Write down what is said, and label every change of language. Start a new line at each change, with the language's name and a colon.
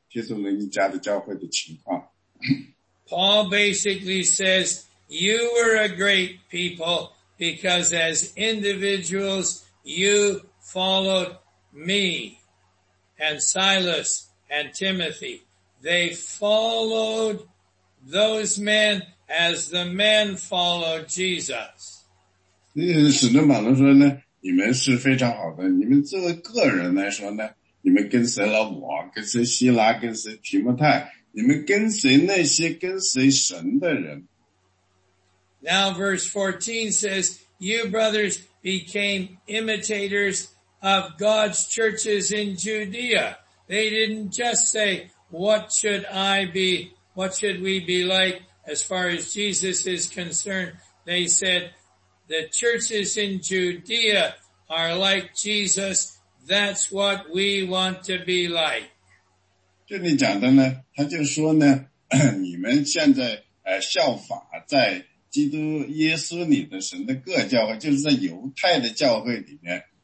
Chinese: 这是非常好的，但这确实是当时在帖撒罗尼迦的教会的情况。
English: Paul basically says, you were a great people because as individuals, you followed me. And Silas and Timothy, they followed those men as the men followed Jesus.
Chinese: 使徒保罗说呢，你们是非常好的，你们作为个人来说呢，你们跟随了我，跟随希拉，跟随提摩太，你们跟随那些跟随神的人。
English: Now verse 14 says, you brothers became imitators of God's churches in Judea. They didn't just say, what should I be, what should we be like as far as Jesus is concerned. They said, the churches in Judea are like Jesus. That's what we want to be like.
Chinese: 这里讲的呢，他就说呢，你们现在效法在基督耶稣里的神的各教会，就是在犹太的教会里面。